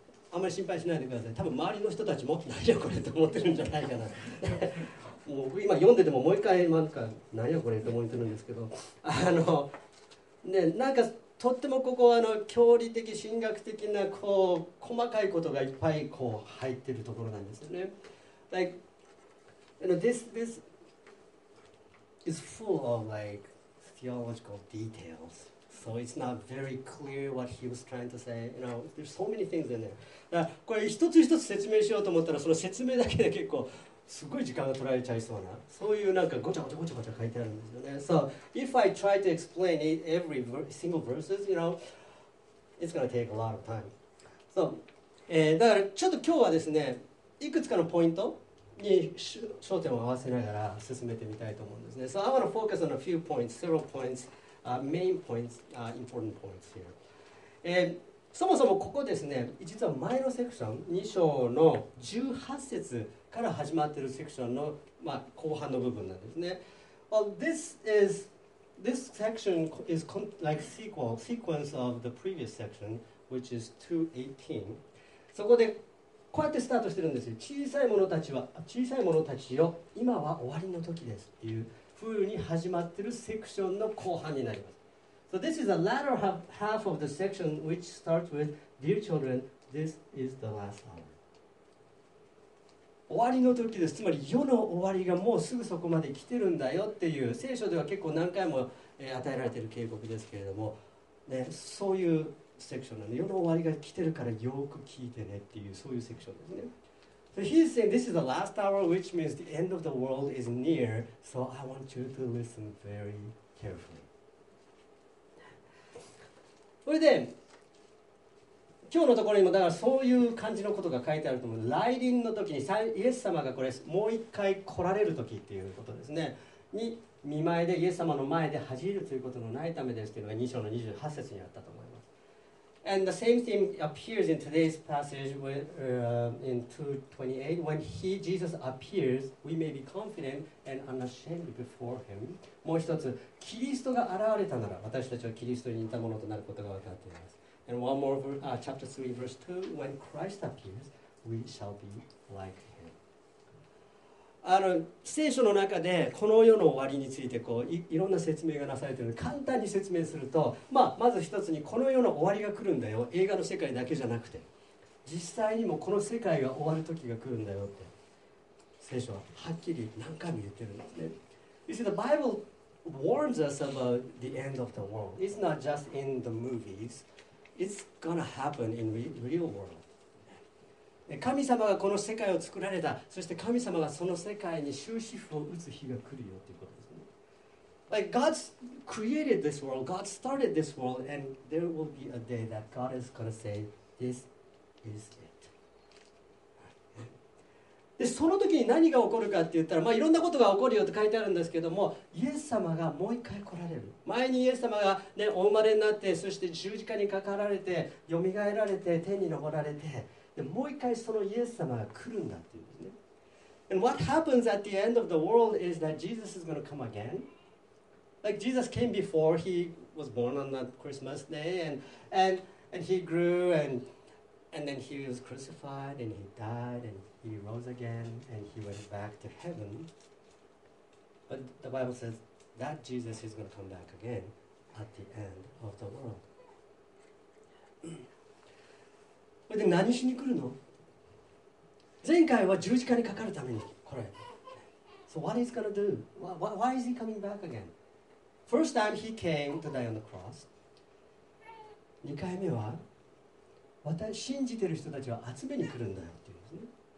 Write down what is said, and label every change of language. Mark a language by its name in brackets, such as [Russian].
[Japanese] あんまり心配しないでください。多分周りの人たちも何やこれって思ってるんじゃないかな。もう今読んでてももう一回なんか何やこれって思ってるんですけど、ね、なんかとってもここは教理的神学的なこう細かいことがいっぱいこう入ってるところなんですよね。 [English] like, this is full of like theological details, so it's not very clear what he was trying to say. You know, there's so many things in there. [Japanese] だこれ一つ一つ説明しようと思ったら、その説明だけで結構すごい時間が取られちゃいそうな、そういうなんかごちゃごちゃごちゃごちゃ書いてあるんですよね。 [English] So if I try to explain it every single verses, you know, it's gonna take a lot of time. [Japanese] So, だからちょっと今日はですね、いくつかのポイントに焦点を合わせながら進めてみたいと思うんですね。 [English] So I want to focus on a few points, several points, main points, important points here. [Japanese] そもそもここですね、実は前のセクション2章の18節から始まっているセクションの、まあ、後半の部分なんですね。 [English] Well, this section is like sequence of the previous section, which is 2:18. [Japanese] そこでこうやってスタートしてるんですよ。小さい者たちは、小さい者たちよ、今は終わりの時ですっていうふうに始まっているセクションの後半になります。 [English] So this is the latter half of the section which starts with Dear children, this is the last hour. [Japanese] 終わりの時です。つまり世の終わりがもうすぐそこまで来てるんだよっていう、聖書では結構何回も与えられている警告ですけれども、ね、そういうセクションなんで、世の終わりが来てるからよく聞いてねっていう、そういうセクションですね。 [English] So he's saying this is the last hour, which means the end of the world is near, so I want you to listen very carefully. [Japanese] それで今日のところにもだからそういう感じのことが書いてあると思う。来臨の時にイエス様がこれもう一回来られる時っていうことですね、に見舞いでイエス様の前で恥じるということのないためですというのが2章の28節にあったと思います。 [English] And the same thing appears in today's passage in 2:28 when he, Jesus appears, we may be confident and unashamed before him. [Japanese] もう一つ、キリストが現れたなら私たちはキリストに似たものとなることが分かっています。 [English] And one more verse, chapter 3, verse 2, when Christ appears, we shall be like him. [Japanese] 聖書の中でこの世の終わりについてこう いろんな説明がなされているので、簡単に説明すると、まあ、まず一つにこの世の終わりが来るんだよ、映画の世界だけじゃなくて、実際にもこの世界が終わる時が来るんだよって、聖書ははっきり何回も言ってるんですね。 [English] You see, the Bible warns us about the end of the world. It's not just in the movies. It's gonna happen in real world. [Japanese] 神様がこの世界を作られた、そして神様がその世界に終止符を打つ日が来るよということですね。 [English] Like God created this world, God started this world, and there will be a day that God is gonna say, "This is it." [Japanese] でその時に何が起こるかって言ったら、まあ、いろんなことが起こるよって書いてあるんですけども、イエス様がもう一回来られる。前にイエス様が、ね、お生まれになって、そして十字架にかかられて、よみがえられて、天に昇られて、でもう一回そのイエス様が来るんだっていうんですね。 [English] And what happens at the end of the world is that Jesus is going to come again. Like Jesus came before, he was born on that Christmas day, and he grew, and then he was crucified, and he died, and he rose again, and he went back to heaven. But the Bible says that Jesus is going to come back again at the end of the world. [Japanese] で何しに来るの？前回は十字架にかかるために来られた。 [English] So what is he going to do? Why is he coming back again? First time he came to die on the cross. [Japanese] 2回目は信じてる人たちを集めに来るんだよっていうんですね。